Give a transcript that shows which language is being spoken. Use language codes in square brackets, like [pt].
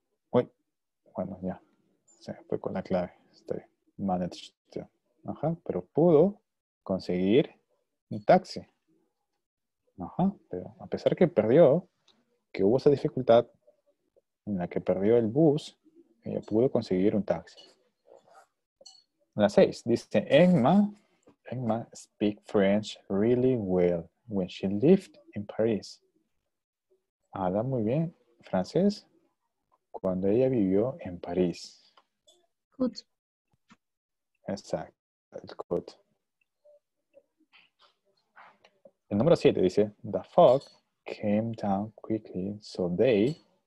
[es] Uy, bueno, ya. Se fue con la clave. Estoy [en] managed to. [es] Ajá, pero pudo conseguir un taxi. Ajá, pero a pesar que perdió, que hubo esa dificultad en la que perdió el bus, ella pudo conseguir un taxi. La 6 dice, [en] Emma speak French really well when she lived in Paris. [es] Habla muy bien francés cuando ella vivió en París. [en] Good. [es] Exacto, el good. El número 7 dice, [en] the fog came down quickly, so they...